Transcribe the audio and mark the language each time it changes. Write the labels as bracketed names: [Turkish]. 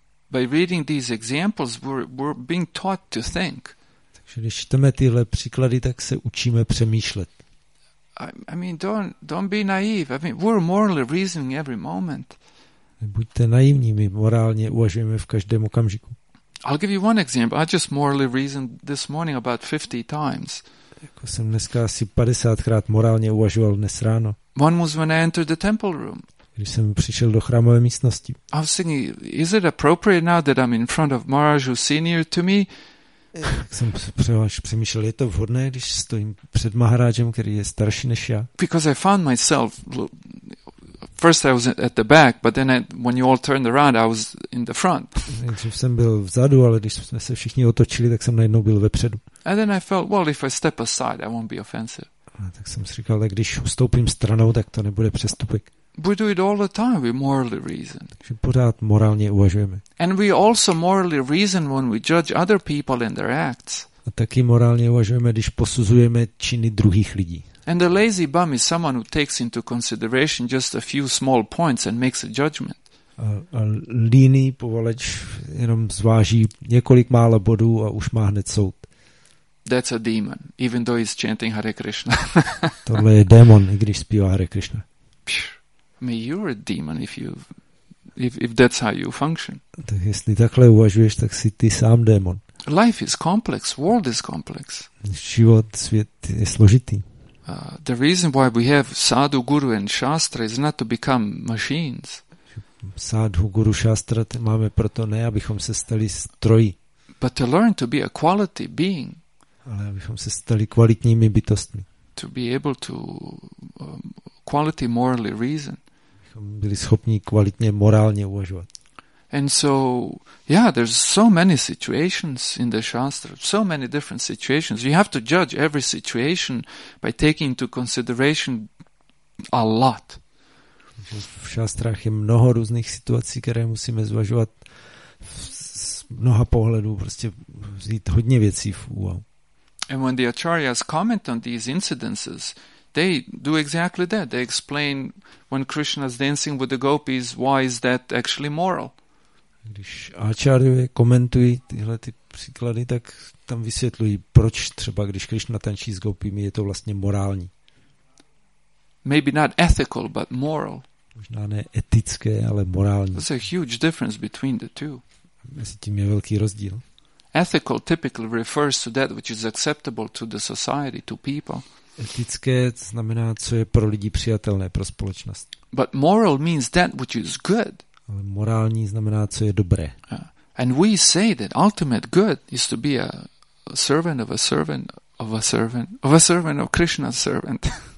[English] By reading these examples, we're being taught to think. [Czech] Takže když čteme tyhle příklady, tak se učíme přemýšlet. [English] I mean, don't be naive. I mean, we're morally reasoning every moment. [Czech] Buďte naivní, my morálně uvažujeme v každém okamžiku. [English] I'll give you one example. I just morally reasoned this morning about 50 times. [Czech] Jako jsem dneska asi 50krát morálně uvažoval dnes ráno. [English] One was when I entered the temple room. [Czech] Když jsem přišel do chrámové místnosti. [English] I was thinking, is it appropriate now that I'm in front of Maharaj who's senior to me? [Czech] Tak jsem přemýšlel, je to vhodné, když stojím před Maharajem, který je starší než já. [English] Because I found myself, first I was at the back, but then when you all turned around, I was in the front. [Czech] Takže jsem byl vzadu, ale když jsme se všichni otočili, tak jsem najednou byl vepředu. [English] And then I felt, well, if I step aside, I won't be offensive. [Czech] A tak jsem si říkal, tak když ustoupím stranou, tak to nebude přestupek. [English] We do it all the time, we morally reason. [Czech] Takže pořád morálně uvažujeme. [English] And we also morally reason when we judge other people and their acts. [Czech] A taky morálně uvažujeme, když posuzujeme činy druhých lidí. [English] And the lazy bum is someone who takes into consideration just a few small points and makes a judgment. [Czech] A líný povaleč jenom zváží několik málo bodů a už má hned soud. [English] That's a demon, even though he's chanting Hare Krishna. [Czech] Tohle je démon, i když zpívá Hare Krishna. [English] I mean, you're a demon if that's how you function. [Czech] Tak jestli takhle uvažuješ, tak si ty sám démon. [English] Life is complex, world is complex. [Czech] Život, svět je složitý. [English] The reason why we have sadhu, guru and shastra is not to become machines. [Czech] Sadhu, guru, shastra máme proto ne, abychom se stali stroji. [English] But to learn to be a quality being. [Czech] Ale abychom se stali kvalitními bytostmi. [English] To be able to quality morally reason. [Czech] Byli schopni kvalitně morálně uvažovat. [English] And so, yeah, there's so many situations in the shastra, so many different situations. You have to judge every situation by taking into consideration a lot. [Czech] V šástrách je mnoho různých situací, které musíme zvažovat z mnoha pohledů, prostě vzít hodně věcí v úvahu. [English] And when the acharyas comment on these incidences, they do exactly that. They explain when Krishna is dancing with the gopis, why is that actually moral? [Czech] Když acharyové komentují tyhle ty příklady, tak tam vysvětlují, proč třeba, když Krishna tančí s gopimi, je to vlastně morální. [English] Maybe not ethical, but moral. [Czech] Možná ne etické, ale morální. [English] There's a huge difference between the two. [Czech] Mezi tím je velký rozdíl. [English] Ethical typically refers to that which is acceptable to the society, to people. [Czech] Etické znamená, co je pro lidi přijatelné, pro společnost. [English] But moral means that which is good. [Czech] Ale morální znamená, co je dobré. [English] And we say that ultimate good is to be a servant of a servant of a servant of a servant of Krishna's servant.